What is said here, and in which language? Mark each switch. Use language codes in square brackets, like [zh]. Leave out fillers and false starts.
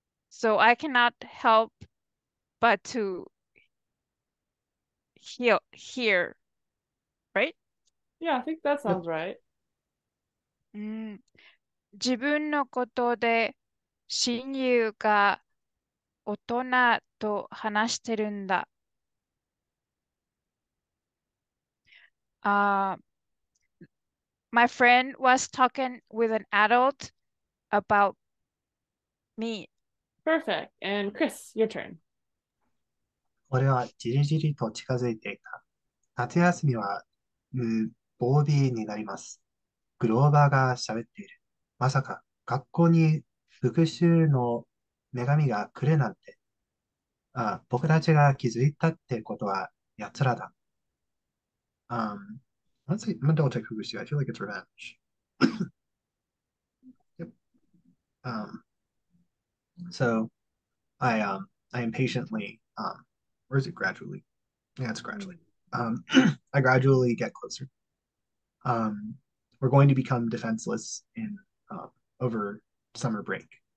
[en] So I cannot help but to hear, Yeah, I think that sounds right. [ja] 自分のことで親友が大人と話してるんだ。 [en] My friend was talking with an adult about me. Perfect. And Chris, your turn. [ja] 俺はじりじりと近づいていた。夏休みは無防備になります。グローバーが喋っている。まさか学校に復讐の女神が来るなんて。ああ、僕たちが気づいたってことは奴らだ。 [en] Let's see. I'm gonna double check who she is. I feel like it's revenge. So I impatiently or is it gradually? Yeah, it's gradually. I gradually get closer. We're going to become defenseless in over summer break.